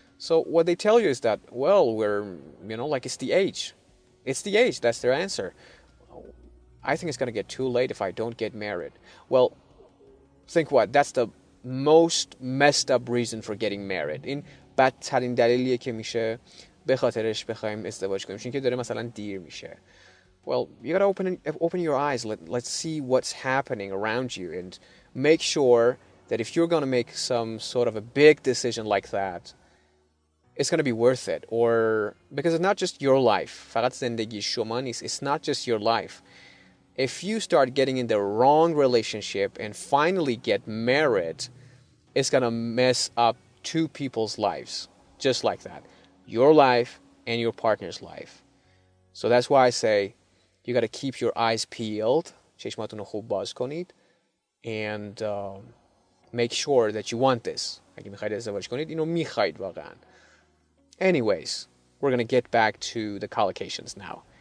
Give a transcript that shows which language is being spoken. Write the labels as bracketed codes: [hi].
[en] So what they tell you is that, well, we're, you know, like it's the age. That's their answer. I think it's going to get too late if I don't get married. Well, think what? That's the most messed up reason for getting married. [fa] این بدترین دلیلیه که میشه به خاطرش بخوایم ازدواج کنیم، چون که داره مثلا دیر میشه. [en] Well, you got to open your eyes. Let's see what's happening around you and make sure that if you're going to make some sort of a big decision like that, it's going to be worth it. Or because it's not just your life. [fa] فقط زندگی شما نیست. [en] It's not just your life. If you start getting in the wrong relationship and finally get married, it's going to mess up two people's lives just like that. Your life and your partner's life. So that's why I say you got to keep your eyes peeled. [fa] چشماتونو خوب باز کنید. [en] And make sure that you want this. [fa] اگه میخواید ازدواج کنید، اینو میخواید واقعا. [en] Anyways, we're going to get back to the collocations now.